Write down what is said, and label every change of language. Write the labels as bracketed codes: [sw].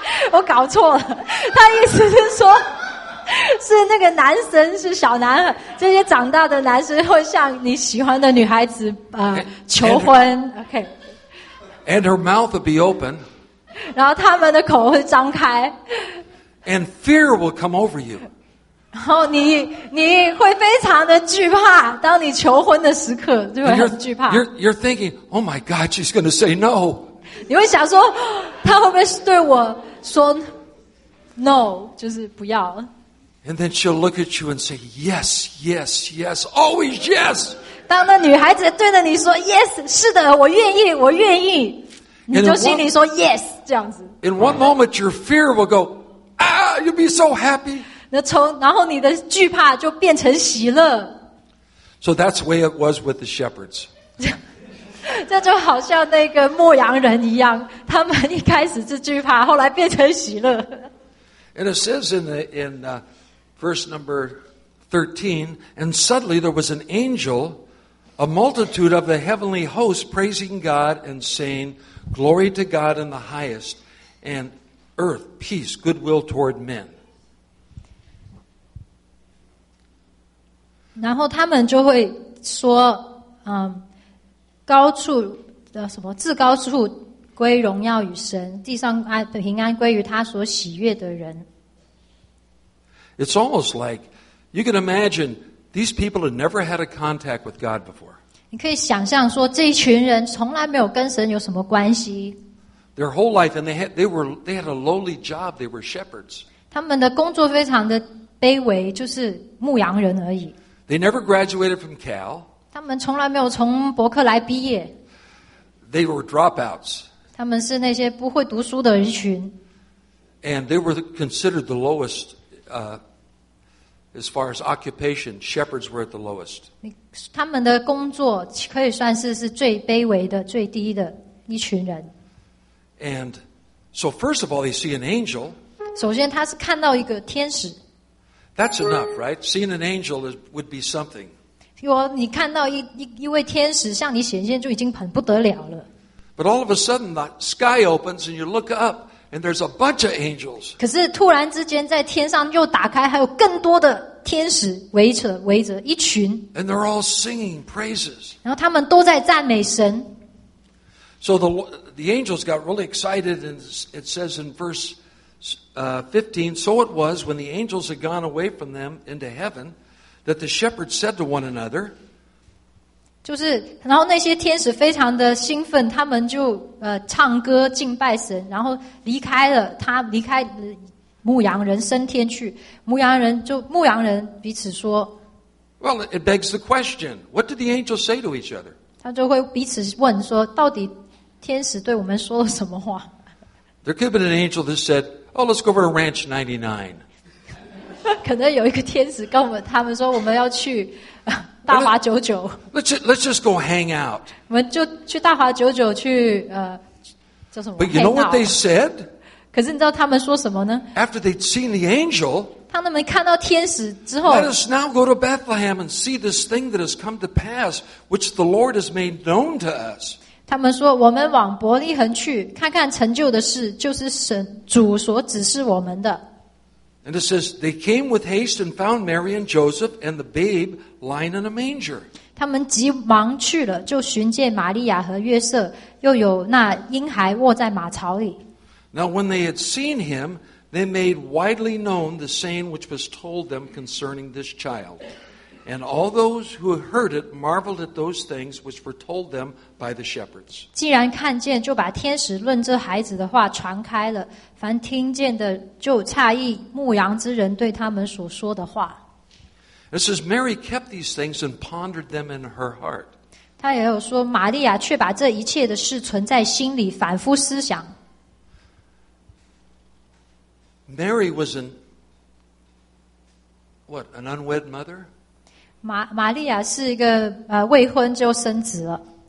[zh] 我搞错了，他意思是说，是那个男生是小男孩，这些长大的男生会向你喜欢的女孩子求婚。 [en] OK。 And her mouth will be open. [zh] 然后他们的口会张开。 [en] And fear will come over you. [zh] 然后你会非常的惧怕，当你求婚的时刻，就会很惧怕。 [en] You're thinking, oh my God, she's going to say no. [zh] 你会想说，他会不会对我说 no， 就是不要。 [en] And then she'll look at you and say, yes, yes, yes, always yes. [zh] 当那女孩子对着你说 yes， 是的，我愿意，我愿意，你就心里说 yes， 这样子。 [en] In one moment, your fear will go, ah, you'll be so happy. [zh] 然后你的惧怕就变成喜乐。 [en] So that's the way it was with the shepherds. [zh] 这就好像那个牧羊人一样，他们一开始是惧怕，后来变成喜乐。 [en] And it says in verse number 13, and suddenly there was an angel, a multitude of the heavenly host praising God and saying, glory to God in the highest, and earth, peace, goodwill toward men. [zh] 然后他们就会说，高处的什么，至高处归荣耀与神，地上平安归于他所喜悦的人。 [en] It's almost like you can imagine these people had never had a contact with God before. [zh] 你可以想象说这一群人从来没有跟神有什么关系。 [en] Their whole life, and they had a lowly job. They were shepherds. [zh] 他们的工作非常的卑微，就是牧羊人而已。 [en] They never graduated from Cal. [zh] 他们从来没有从伯克莱毕业。 [en] They were dropouts. [zh] 他们是那些不会读书的一群。 [en] And they were considered the lowest. As far as occupation, shepherds were at the lowest. [zh] 他们的工作可以算是最卑微的、最低的一群人。 [en] And so, first of all, they see an angel. [zh] 首先，他是看到一个天使。 [en] That's enough, right? Seeing an angel would be something. [zh] 你看到一位天使向你显现，就已经很不得了了。 [en] But all of a sudden, the sky opens and you look up. And there's a bunch of angels. [zh] 可是突然之间在天上又打开，还有更多的天使围着一群。 [en] And they're all singing praises. [zh] 然后他们都在赞美神。 [en] So the angels got really excited, and it says in verse 15, so it was when the angels had gone away from them into heaven that the shepherds said to one another. [zh] 就是，然后那些天使非常的兴奋，他们就唱歌敬拜神，然后离开了他，离开牧羊人升天去。牧羊人彼此说 [en] ，Well, it begs the question, what did the angels say to each other? [zh] 他就会彼此问说，到底天使对我们说了什么话 [en] ？There could have been an angel that said, "Oh, let's go over to Ranch 99." [zh] 可能有一个天使跟他们说，我们要去。大华九九 [en] let's just go hang out. [zh] 我们就去大华九九去叫什么 [en] But you know what they said? [zh] 可是你知道他们说什么呢 [en] After they'd seen the angel, [zh] 当他们看到天使之后 [en] Let us now go to Bethlehem and see this thing that has come to pass, which the Lord has made known to us. [zh] 他们说我们往伯利恒去看看成就的事就是神主所指示我们的。 [en] And it says, they came with haste and found Mary and Joseph and the babe lying in a manger. [zh] 他们急忙去了，就寻见玛利亚和约瑟，又有那婴孩卧在马槽里。 [en] Now when they had seen him, they made widely known the saying which was told them concerning this child. And all those who heard it marveled at those things which were told them by the shepherds. [zh] 既然看见，就把天使论这孩子的话传开了。凡听见的就诧异牧羊之人对他们所说的话。 [en] It says Mary kept these things and pondered them in her heart. [zh] 他也有说玛利亚却把这一切的事存在心里反复思想。 [en] Mary was an unwed mother? [zh] 玛利亚是一个未婚就生子了。